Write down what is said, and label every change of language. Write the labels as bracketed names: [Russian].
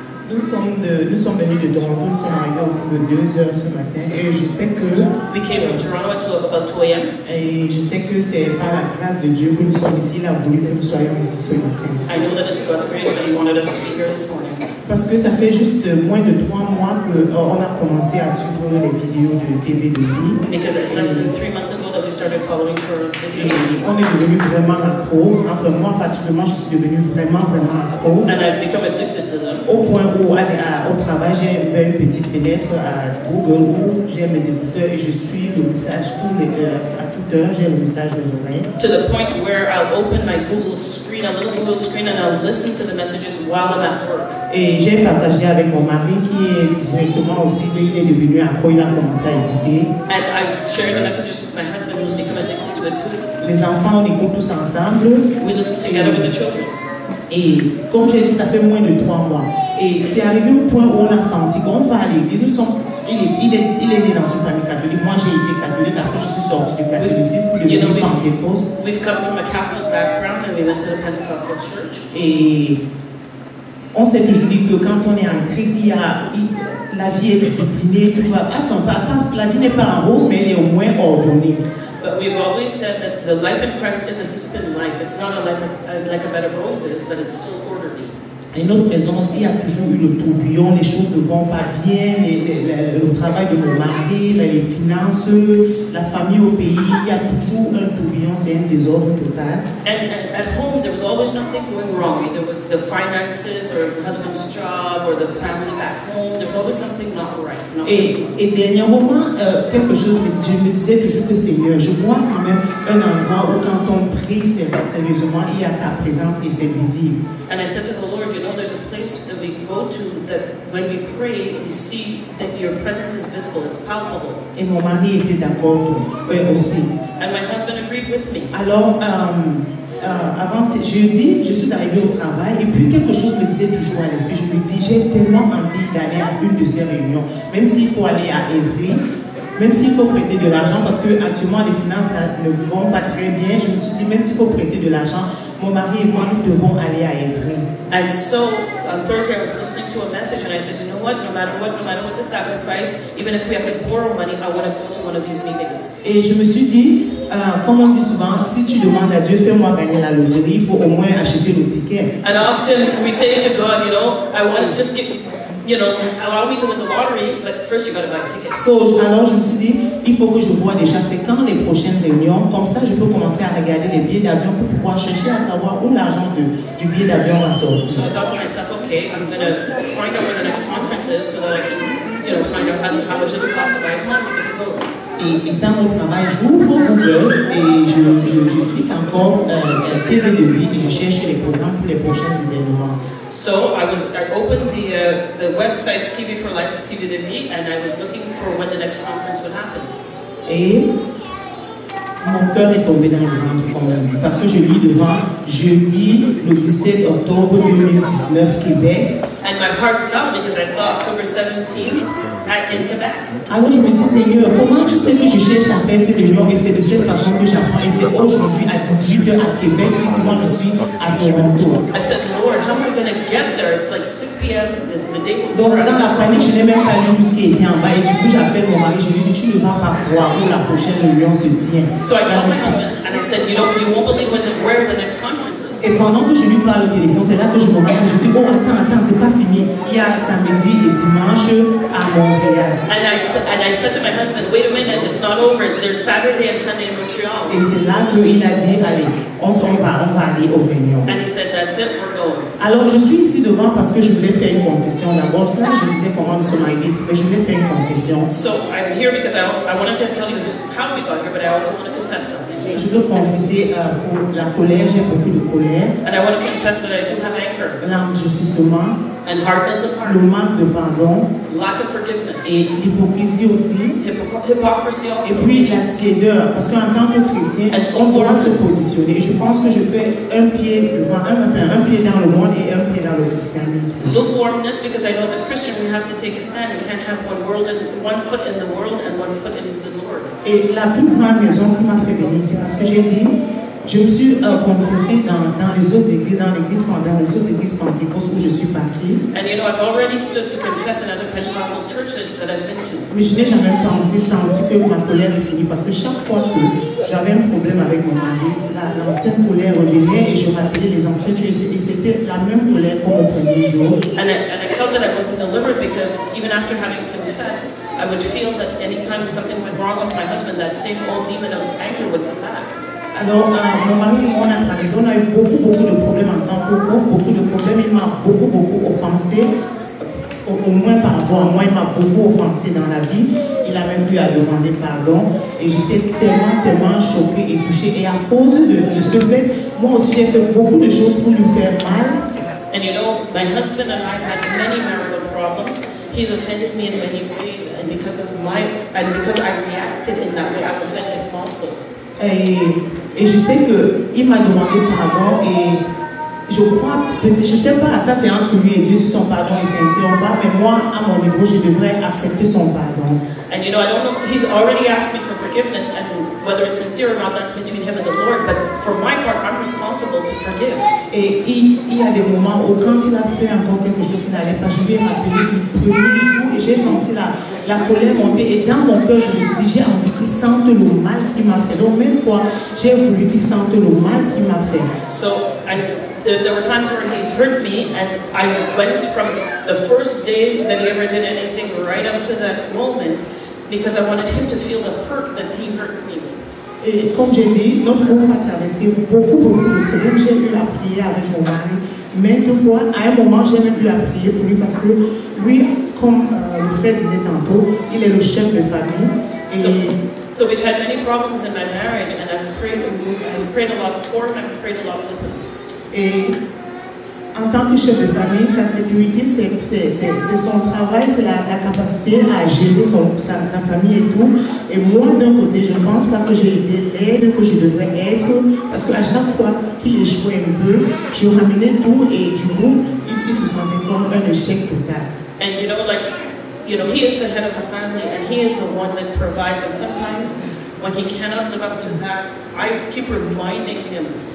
[French] Nous sommes venus de Toronto, nous sommes arrivés autour de 2 heures ce matin, et je sais que... [English] We came from Toronto at about 2 a.m. [French] Et je sais que c'est par la grâce de Dieu que nous sommes ici, il a voulu que nous soyons ici ce matin. [English] I know that it's God's grace that he wanted us to be here this morning. [French] Parce que ça fait juste moins de 3 mois qu'on a commencé à suivre les vidéos de TV de lui. [English] Because it's less than 3 months ago that we started following Shora's videos. [French] Et on est devenu vraiment accro. Enfin, moi particulièrement, je suis devenu vraiment, vraiment accro. [English] And I've become addicted to them. [French] Au point où, au travail, j'ai ouvert une petite fenêtre à Google où j'ai mes écouteurs et je suis le message à toute heure, j'ai le message aux oreilles. [English] To the point where I'll open my Google screen, a little Google screen, and I'll listen to the messages while I'm at work. [French] Et j'ai partagé avec mon mari qui est directement aussi lui qui est devenu accro, il a commencé à écouter. [English] And I've shared the messages with my husband who's become addicted to it too. [French] Les enfants, on écoute tous ensemble. [English] We listen together with the children. [French] Et comme j'ai dit, ça fait moins de 3 mois. Et c'est arrivé au point où on a senti qu'on va aller. Et nous sommes, il est né dans une famille catholique. Moi, j'ai été catholique. Après, je suis sorti du catholicisme pour devenir pentecôte. [English] We've come from a Catholic background and we went to the Pentecostal church. [French] Et on sait que je dis que quand on est en crise, la vie est disciplinée, tout va. Enfin, la vie n'est pas en rose, mais elle est au moins ordonnée. [English] But we've always said that the life in Christ is a disciplined life. It's not a life of, like a bed of roses, but it's still orderly. [French] Et notre maison aussi a toujours eu le tourbillon, les choses ne vont pas bien, le travail de mon mari, les finances, la famille au pays, il y a toujours un tourbillon, c'est un désordre total. [English] And at home, there was always something going wrong, either with the finances, or husband's job, or the family back home, there was always something not right. [French] Et dernièrement, quelque chose, je me disais toujours que Seigneur, je vois quand même un endroit où quand on prie sérieusement, il y a ta présence et c'est visible. [English] And I said to the Lord, you know, there's a place that we go to that when we pray, we see that your presence is visible, it's palpable. [French] Et mon mari était d'accord aussi. [English] And my husband agreed with me. [French] Alors, avant jeudi, je suis arrivée au travail et puis quelque chose me disait toujours à l'esprit. Je me dis, j'ai tellement envie d'aller à une de ces réunions, même s'il faut aller à Évry, même s'il faut prêter de l'argent, parce que actuellement les finances ne vont pas très bien. Je me suis dit, même s'il faut prêter de l'argent, mon mari et moi, nous devons aller à Évry. [English] And so, on Thursday, I was listening to a message and I said, you know what, no matter what the sacrifice, even if we have to borrow money, I want to go to one of these meetings. [French] Et je me suis dit, comme on dit souvent, si tu demandes à Dieu, fais-moi gagner la loterie, il faut au moins acheter le ticket. [English] And often we say to God, you know, allow me to win the lottery, but first you got to buy a ticket. [French] So, alors je me suis dit, il faut que je vois déjà c'est quand les prochaines réunions, comme ça je peux commencer à regarder les billets d'avion pour pouvoir chercher à savoir où l'argent du billet d'avion va sortir. [English] So I thought to myself, okay, I'm going to find out where the next conference is so that I can, you know, find out how much it would cost to buy a ticket to go. [French] Et dans mon travail, j'ouvre Google et je clique encore TV de vie et je cherche les programmes pour les prochains événements. [English] So I opened the website TV for Life, TV de vie, and I was looking for when the next conference would happen. [French] Et mon cœur est tombé dans le ventre, comme on dit, parce que je lis devant jeudi le 17 octobre 2019 Québec. [English] And my heart fell because I saw October 17th. [French] Québec. Alors je me dis, Seigneur, comment tu sais que je cherche à faire cette réunion et c'est de cette façon que j'apprends et c'est aujourd'hui à 18h à Québec, si tu vois, je suis à Toronto. Donc dans la panique, je n'ai même pas lu tout ce qui était en bas et du coup j'appelle mon mari, je lui dis, tu ne vas pas croire où la prochaine réunion se tient. [English] So I called my husband and I said, you won't believe where the next conference is. [French] Et pendant que je lui parle au téléphone, c'est là que je me rends compte. Je dis, oh, attends, c'est pas fini. Il y a samedi et dimanche à Montréal. [English] And I said to my husband, wait a minute, it's not over. There's Saturday and Sunday in Montreal. [French] Et c'est là qu'il a dit, allez, on va aller aux réunions. [English] And he said, that's it, we're going. [French] Alors, je suis ici devant parce que je voulais faire une confession. D'abord, cela, je disais comment nous sommes arrivés, mais je voulais faire une confession. [English] So, I'm here because I wanted to tell you how we got here, but I also want to confess something. [French] Je veux confesser pour la colère, j'ai beaucoup de colère. [English] And I want to confess that I do have anger. [French] L'injustissement. [English] And hardness of heart. [French] Le manque de pardon. [English] Lack of forgiveness. [French] Et l'hypocrisie aussi. [English] Hypocrisy also. [French] Et puis la tiédeur. Parce qu'en tant que chrétien, on doit se positionner. Je pense que je fais un pied devant, un pied dans le monde et un pied dans le christianisme. [English] Lukewarmness, because I know as a Christian we have to take a stand. We can't have one foot in the world and one foot in the Lord. [French] Et la plus grande raison qui m'a fait bénir, c'est parce que j'ai dit, je me suis confessé dans les autres églises, dans les autres églises pentecôtes où je suis parti. [English] And you know, I've already stood to confess in other Pentecostal churches that I've been to. [French] Mais je n'ai jamais pensé, senti que ma colère est finie, parce que chaque fois que j'avais un problème avec mon mari, l'ancienne colère revenait et je rappelais les anciens choses et c'était la même colère pour le premier jour. [English] And I felt that I wasn't delivered because even after having confessed, I would feel that any time something went wrong with my husband, that same old demon of anger would come back. [French] Alors, mon mari et moi, on a eu beaucoup de problèmes en tant que couple, beaucoup de problèmes. Il m'a beaucoup offensé, au moins par rapport à moi, il m'a beaucoup offensé dans la vie. Il a même eu à demander pardon. Et j'étais tellement choquée et touchée. Et à cause de ce fait, moi aussi, j'ai fait beaucoup de choses pour lui faire mal. [English] And you know, my husband and I had many marital problems. He's offended me in many ways. And because I reacted in that way, I've offended him also. [French] Et je sais qu'il m'a demandé pardon et je crois, je sais pas, ça c'est entre lui et Dieu si son pardon est sincère ou pas, mais moi, à mon niveau, je devrais accepter son pardon. [English] And you know, I don't know, he's already asked me for forgiveness and whether it's sincere or not, that's between him and the Lord, but for my part, I'm responsible to forgive. [French] Et il y a des moments où quand il a fait encore quelque chose qui n'allait pas, je lui ai rappelé du premier jour et j'ai senti la colère montait et dans mon cœur, je me suis dit, j'ai envie qu'il sente le mal qu'il m'a fait. Donc, même fois, j'ai voulu qu'il sente le mal qu'il m'a fait. [English] So, there were times where he's hurt me, and I went from the first day that he ever did anything right up to that moment, because I wanted him to feel the hurt that he hurt me with. [French] Et comme j'ai dit, notre couple a traversé beaucoup. Donc j'ai eu à prier avec mon mari. Maintes fois, à un moment, j'ai même eu à prier pour lui parce que lui, comme le frère disait tantôt, il est le chef de famille. Et [English] so we've had many problems in my marriage, and I've prayed a lot for him, I've prayed a lot with him. [French] Et en tant que chef de famille, sa sécurité, c'est son travail, c'est la capacité à gérer sa famille et tout. Et moi, d'un côté, je ne pense pas que j'ai été l'aide que je devrais être, parce qu'à chaque fois qu'il échouait un peu, je ramenais tout et du coup, il se sentait comme un échec total. [English] And you know, like, you know, he is the head of the family and he is the one that provides. And sometimes, when he cannot live up to that, I keep reminding him.